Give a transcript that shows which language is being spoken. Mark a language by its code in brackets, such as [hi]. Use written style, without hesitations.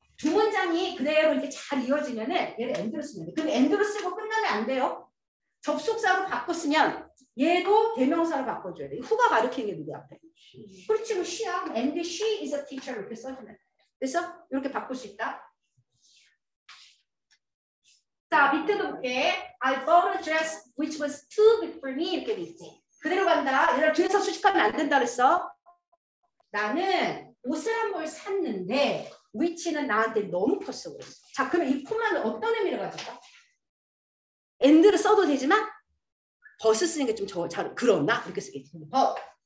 [ko] 두 문장이 그대로 이렇게 잘 이어지면은 얘를 엔드로 쓰면 돼. 그럼 엔드로 쓰고 끝나면 안 돼요. 접속사로 바꿔 쓰면 얘도 대명사로 바꿔줘야 돼. 후가 가르키는 게 누구야? 앞에. 그렇지, 뭐 she야. [en] And she is a teacher. [ko] 이렇게 써주면 돼. 그래서 이렇게 바꿀 수 있다. 자, 밑에도 볼게. [en] I bought a dress which was too big for me. [ko] 이렇게 돼 있지. 그대로 간다. 얘들아, 뒤에서 수식하면 안 된다 그랬어. 나는 옷을 한 벌 샀는데 위치는 나한테 너무 컸어 그랬어. 자, 그러면 이 콤마는 어떤 의미를 가질까? 엔드를 써도 되지만 버스 쓰는 게 좀 잘 그렇나? 이렇게 쓰겠지. 버.